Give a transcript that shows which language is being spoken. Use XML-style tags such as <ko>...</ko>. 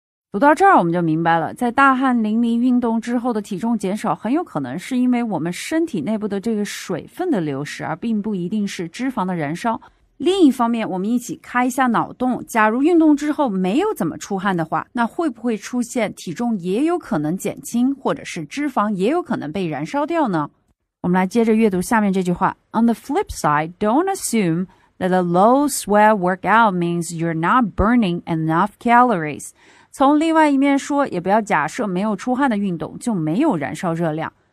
<zh>读到这儿我们就明白了，在大汗淋漓运动之后的体重减少很有可能是因为我们身体内部的这个水分的流失，而并不一定是脂肪的燃烧。另一方面，我们一起开一下脑洞，假如运动之后没有怎么出汗的话，那会不会出现体重也有可能减轻，或者是脂肪也有可能被燃烧掉呢？我们来接着阅读下面这句话。</zh> <en>On the flip side, don't assume that a low sweat workout means you're not burning enough calories.</en> <zh>从另外一面说，也不要假设没有出汗的运动就没有燃烧热量。</zh>